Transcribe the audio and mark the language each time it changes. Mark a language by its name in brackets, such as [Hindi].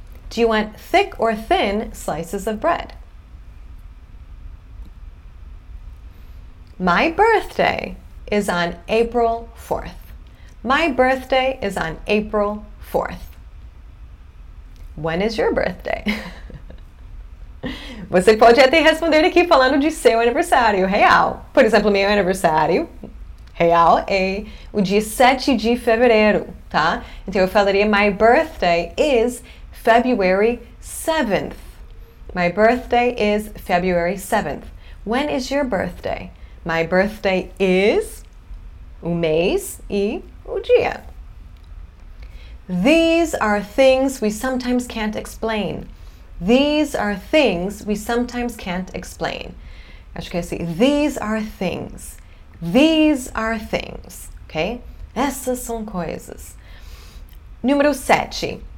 [English] Do you want thick or thin slices of bread? My birthday is on April 4th. My birthday is on April 4th. When is your birthday? [Portuguese] Você pode até responder aqui falando de seu aniversário real. Por exemplo, meu aniversário real é o dia 7 de fevereiro, tá? Então eu falaria: [English] My birthday is February 7th. My birthday is February 7th. When is your birthday? My birthday is [Portuguese] o mês e o dia. [English] These are things we sometimes can't explain. These are things we sometimes can't explain. [Portuguese] Acho que é assim. [English] These are things. These are things. Ok? [Portuguese] Essas são coisas. Número 7.